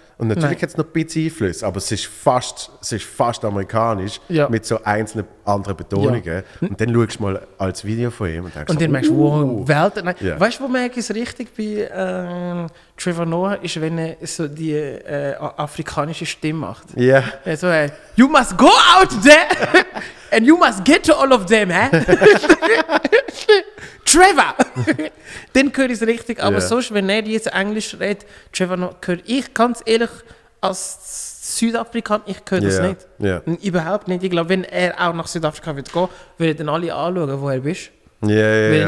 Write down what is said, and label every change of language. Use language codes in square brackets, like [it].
[de] Und natürlich hat es noch ein bisschen Einfluss, aber es ist fast amerikanisch mit so einzelnen anderen Betonungen. Ja. Und dann schaust du mal als Video von ihm und denkst, und dann merkst du, wow, Welt. Nein. Yeah. Weißt du, wo merke ich es richtig bei Trevor Noah, ist, wenn er so die afrikanische Stimme macht. Ja. Yeah. [en] So, you must go out there and you must get to all of them, hä? Trevor! [de] Dann höre ich es richtig, aber sonst, wenn er jetzt Englisch redet, Trevor Noah, höre ich ganz ehrlich, als Südafrikaner, ich höre das nicht. Yeah. Überhaupt nicht. Ich glaube, wenn er auch nach Südafrika wird gehen, würde ich dann alle anschauen, wo er bist. Ich